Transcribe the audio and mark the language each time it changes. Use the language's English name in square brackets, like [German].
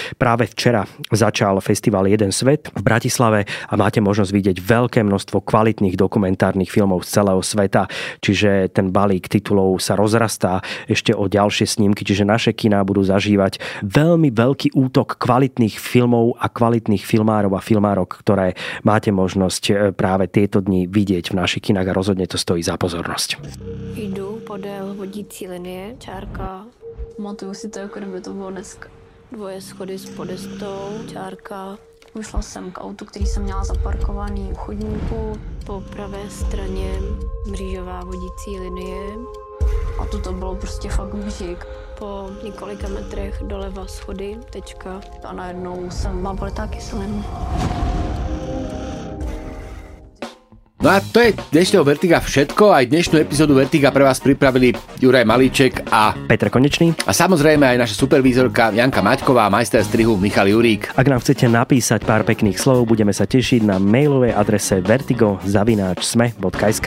[Slovak] Práve včera začal festival Jeden svet v Bratislave a máte možnosť vidieť veľké množstvo kvalitných dokumentárnych filmov z celého sveta, čiže ten balík titulov sa rozrastá ešte o ďalšie snímky, čiže naše kina budú zažívať veľmi veľký útok kvalitných filmov a kvalitných filmárov a filmárok, ktoré máte možnosť práve tieto dni vidieť v našich kinách a rozhodne to stojí za pozornosť. [Czech] Idú podél vodící linie, čárka. Pamatuju si to, jako kdyby to bylo dneska. Dvoje schody s podestou, čárka. Vyšla jsem k autu, který jsem měla zaparkovaný u chodníku. Po pravé straně mřížová vodící linie. A toto bylo prostě fakt břík. Po několika metrech doleva schody, tečka. A najednou jsem babletá kyselinu. [Slovak] No a to je dnešného Vertiga všetko. Aj dnešnú epizódu Vertiga pre vás pripravili Juraj Malíček a Peter Konečný. A samozrejme aj naša supervízorka Janka Maťková, majster strihu Michal Jurík. Ak nám chcete napísať pár pekných slov, budeme sa tešiť na mailovej adrese vertigo@sme.sk.